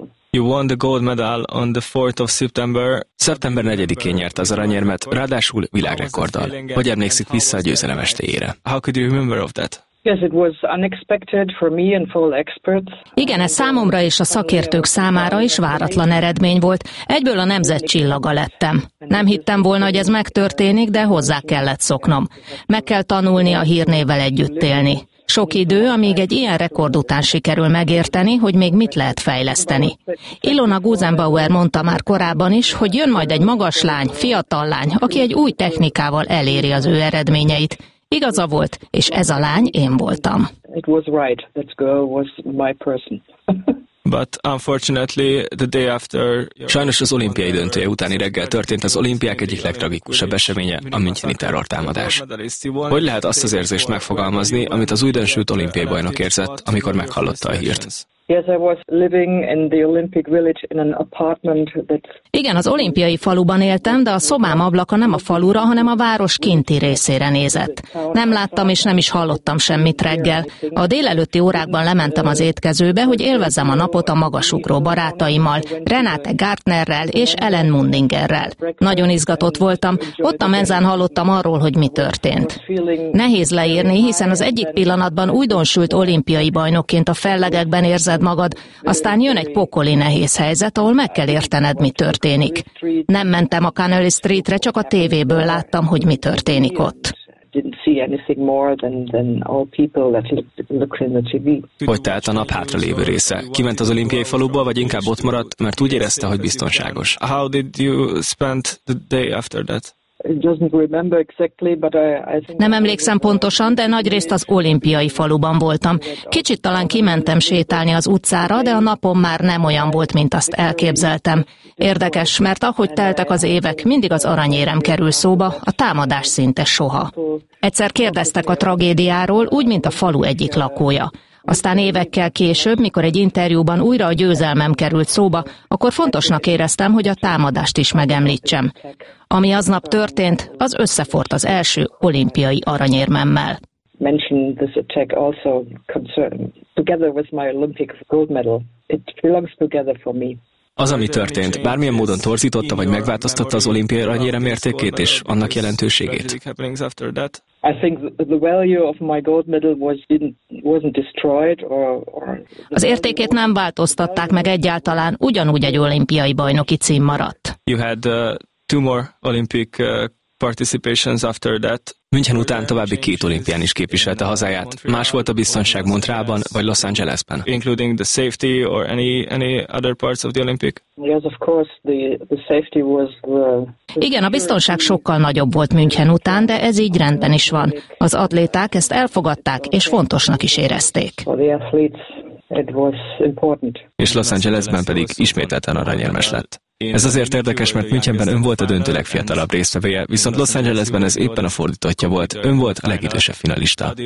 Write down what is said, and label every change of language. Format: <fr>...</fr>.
<en>You won the gold medal on the 4th of September.</en> <hu>Szeptember 4-én nyert az aranyérmet, ráadásul világrekorddal. Hogy emlékszik vissza a győzelem estéjére?</hu> <en>How could you remember of that? Yes, it was unexpected for me and for all experts.</en> <hu>Igen, ez számomra és a szakértők számára is váratlan eredmény volt. Egyből a nemzet csillaga lettem. Nem hittem volna, hogy ez megtörténik, de hozzá kellett szoknom. Meg kell tanulni a hírnévvel együtt élni. Sok idő, amíg egy ilyen rekord után sikerül megérteni, hogy még mit lehet fejleszteni. Ilona Gusenbauer mondta már korábban is, hogy jön majd egy magas lány, fiatal lány, aki egy új technikával eléri az ő eredményeit. Igaza volt, és ez a lány én voltam.</hu> <en>It was right. That girl was my person. But unfortunately, the day after.</en> <hu>Sajnos az olimpiai döntője utáni reggel történt az olimpiák egyik legtragikusabb eseménye, a müncheni terrortámadás. Hogy lehet azt az érzést megfogalmazni, amit az újdonsült olimpiai bajnok érzett, amikor meghallotta a hírt?</hu> <en>Yes, I was living in the Olympic village in an apartment that.</en> <hu>Igen, az olimpiai faluban éltem, de a szobám ablaka nem a falura, hanem a város kinti részére nézett. Nem láttam és nem is hallottam semmit reggel. A délelőtti órákban lementem az étkezőbe, hogy élvezzem a napot a magasugró barátaimmal, Renate Gartnerrel és Ellen Mundingerrel. Nagyon izgatott voltam, ott a menzán hallottam arról, hogy mi történt. Nehéz leírni, hiszen az egyik pillanatban újdonsült olimpiai bajnokként a fellegekben érzed magad, aztán jön egy pokoli nehéz helyzet, ahol meg kell értened, mi történt. Nem mentem a Canal Streetre, csak a tévéből láttam, hogy mi történik ott.</hu> <en>didn't see anything more than all people that looked in the TV.</en> <hu>Hogy telt a nap hátra lévő része? Kiment az olimpiai faluba, vagy inkább ott maradt, mert úgy érezte, hogy biztonságos?</hu> <en>How did you spend the day after that?</en> <hu>Nem emlékszem pontosan, de nagyrészt az olimpiai faluban voltam. Kicsit talán kimentem sétálni az utcára, de a napom már nem olyan volt, mint azt elképzeltem. Érdekes, mert ahogy teltek az évek, mindig az aranyérem kerül szóba, a támadás szinte soha. Egyszer kérdeztek a tragédiáról, úgy, mint a falu egyik lakója. Aztán évekkel később, mikor egy interjúban újra a győzelmem került szóba, akkor fontosnak éreztem, hogy a támadást is megemlítsem. Ami aznap történt, az összefort az első olimpiai aranyérmemmel. Az, ami történt, bármilyen módon torzította vagy megváltoztatta az olimpiai aranyérem mértékét és annak jelentőségét.</hu> <en>I think the value of my gold medal wasn't destroyed or</en> <hu>az értékét nem változtatták meg egyáltalán, ugyanúgy egy olimpiai bajnoki cím maradt.</hu> <en>You had two more Olympic participations after that.</en> <hu>München után további két olimpián is képviselte hazáját. Más volt a biztonság Montrealban vagy Los Angelesben.</hu> <en>Including the safety or any other parts of the Olympic? Yes, of course, the safety was the.</en> <hu>Igen, a biztonság sokkal nagyobb volt München után, de ez így rendben is van. Az atléták ezt elfogadták és fontosnak is érezték.</hu> <en>It was important.</en> <hu>És Los Angelesben pedig ismételten aranyérmes lett. Ez azért érdekes, mert Münchenben ön volt a döntő legfiatalabb résztvevője, viszont Los Angelesben ez éppen a fordítottja volt, ön volt a legidősebb finalista.</hu>